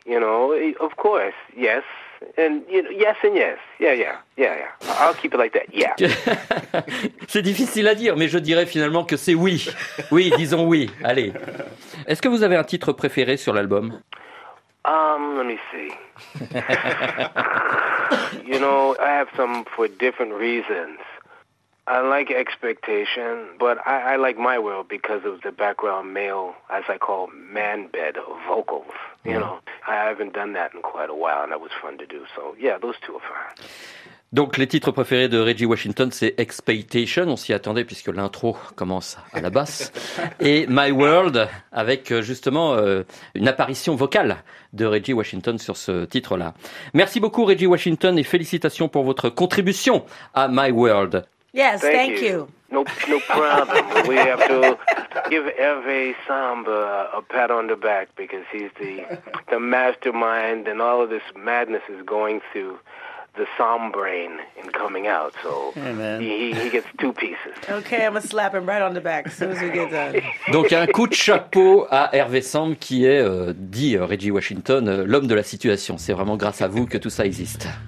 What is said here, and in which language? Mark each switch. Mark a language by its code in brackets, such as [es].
[en] You know, of course, yes. And you know, yes and yes, yeah. I'll keep it like that, yeah. [fr] C'est difficile à dire, mais je dirais finalement que c'est oui. Oui, disons oui, allez. Est-ce que vous avez un titre préféré sur l'album? [en] Let me see. You know, I have some for different reasons. I like expectation, but I like my world because of the background male, as I call, man bed vocals. You know, I haven't done that in quite a while, and that was fun to do. So, yeah, those two are fine. [fr] Donc, les titres préférés de Reggie Washington, c'est Expectation, on s'y attendait puisque l'intro commence à la basse, et My World, avec justement une apparition vocale de Reggie Washington sur ce titre-là. Merci beaucoup, Reggie Washington, et félicitations pour votre contribution à My World. [en] Yes, thank you. No problem. We have to give Hervé Samba a pat on the back because he's the mastermind and all of this madness is going through the Somb brain in coming out. So he gets two pieces. Okay, I'm going to slap him right on the back as soon as we get done. [fr] Donc un coup de chapeau à Hervé Samba qui est, dit Reggie Washington, l'homme de la situation. C'est vraiment grâce à vous que tout ça existe.